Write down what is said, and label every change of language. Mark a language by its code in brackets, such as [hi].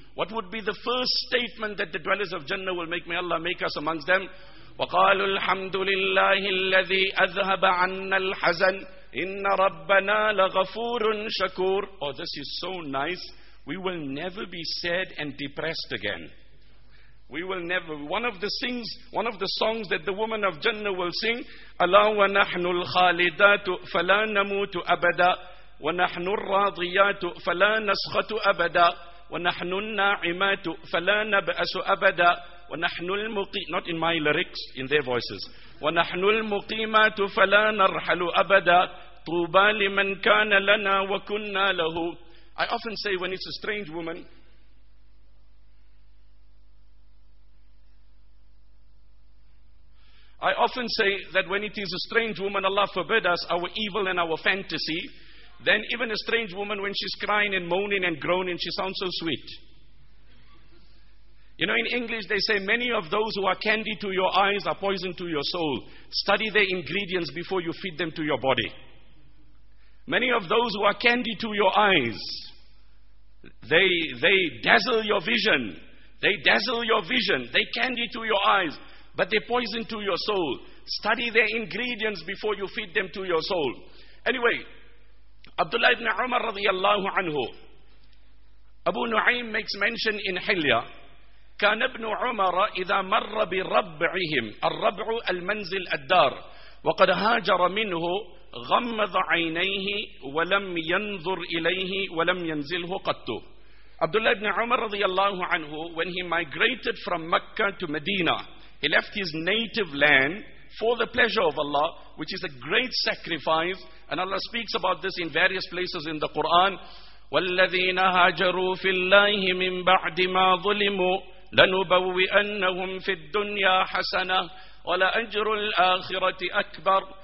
[en] What would be the first statement that the dwellers of Jannah will make? May Allah make us amongst them. [ar] وَقَالُوا الْحَمْدُ لِلَّهِ الَّذِي أَذْهَبَ عَنَّا الْحَزَنِ إِنَّ رَبَّنَا لَغَفُورٌ شَكُورٌ. [en] Oh, this is so nice. We will never be sad and depressed again. We will never. One of the songs that the woman of Jannah will sing, [ar] أَلَّا وَنَحْنُ الْخَالِدَاتُ فَلَا نَمُوتُ أَبَدًا وَنَحْنُ الرَّاضِيَاتُ فَلَا نَسْخَتُ أَبَدًا وَنَحْنُ النَّاعِمَاتُ فَلَا نَبْأَسُ أَبَدًا وَنَحْنُ الْمُقِيمَاتُ. [en] Not in my lyrics, in their voices. [ar] وَنَحْنُ الْمُقِيمَاتُ فَلَا نَرْحَلُ أَبَدًا طُوبَى لِمَنْ كَانَ لَنَا وَكُنَّا لَهُ. [en] I often say when it's a strange woman, I often say that when it is a strange woman, Allah forbid us, our evil and our fantasy, then even a strange woman, when she's crying and moaning and groaning, she sounds so sweet. You know, in English they say, many of those who are candy to your eyes are poison to your soul. Study their ingredients before you feed them to your body. Many of those who are candy to your eyes, they dazzle your vision. They dazzle your vision. They candy to your eyes, but they poison to your soul. Study their ingredients before you feed them to your soul. Anyway, Abdullah ibn Umar radiallahu anhu, Abu Nu'aym makes mention in Hilya, [ar] كان ابن عمر إذا مر بربعهم الربع المنزل الدار وقد هاجر منه غمض عينيه ولم ينظر إليه ولم ينزله قط. [en] Abdullah ibn Umar radiallahu anhu, when he migrated from Mecca to Medina, he left his native land for the pleasure of Allah, which is a great sacrifice, and Allah speaks about this in various places in the Quran. [ar] وَالَّذِينَ هَاجَرُوا فِي اللَّهِ مِن بَعْدِ مَا ظُلِمُوا لَنُبَوِّئَنَّهُمْ فِي الدُّنْيَا حَسَنَةً وَلَأَجْرُ الْآخِرَةِ أَكْبَرُ.